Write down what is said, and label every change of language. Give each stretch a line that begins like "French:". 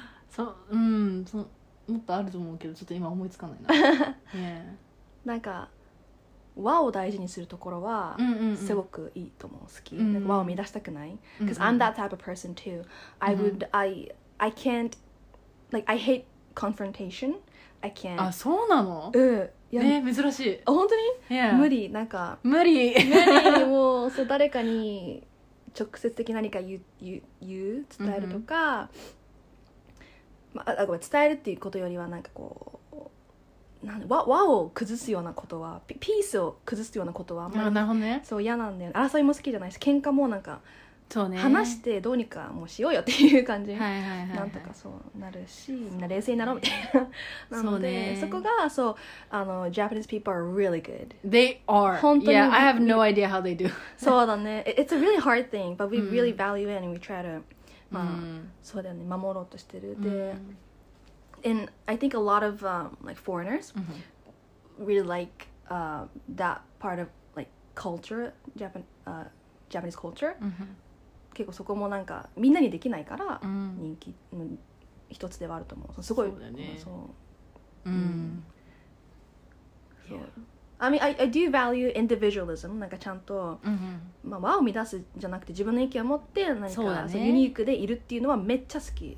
Japanese: そう、うん、そのもっとあると思うけど、ちょっと今思いつかないな。なんか和を大事にするところはすごくいいと思う。好き。和を乱したくない。
English: Because I'm that type of person too. I would, I can't, like, I hate confrontation. I can't.
Japanese: あ、そうなの？うん。ね、珍しい。本当に？
English: Yeah.
Japanese: 無理。なんか。無理。無理。もう、そう、誰かに直接的何か言う、伝えるとか、まあ、伝えるっていうことよりはなんかこう、なんで 和を崩すようなことは ピースを崩すようなことはあんまり、なるほどね、そう嫌なんだよね。争いも好きじゃないし、喧嘩もなんかそう、ね、話してどうにかもうしようよっていう感じ、はいはいはいはい、なんとかそうなるし、ね、みんな冷静になろうみたいな。なので そこがそう、あの
English: Japanese people are really good. They are.
Japanese: 本当に。
English: Yeah, I have no idea how they do.
Japanese: そうだね。
English: It's a really hard thing, but we really value it and we try to、
Japanese: まあ、そうだよね、守ろうとしてる。
English: で、And I think a lot of like foreigners really like that part of like culture, Japanese culture.
Japanese: 結構そこもなんかみんなにできないから人気の一つではあると思う。すごい。そうだね。そう。
English: Yeah. I mean, I do value individualism.
Japanese: なんかちゃんと、まあ、和を乱すじゃなくて自分の意見を持って何かそのユニークでいるっていうのはめっちゃ好き。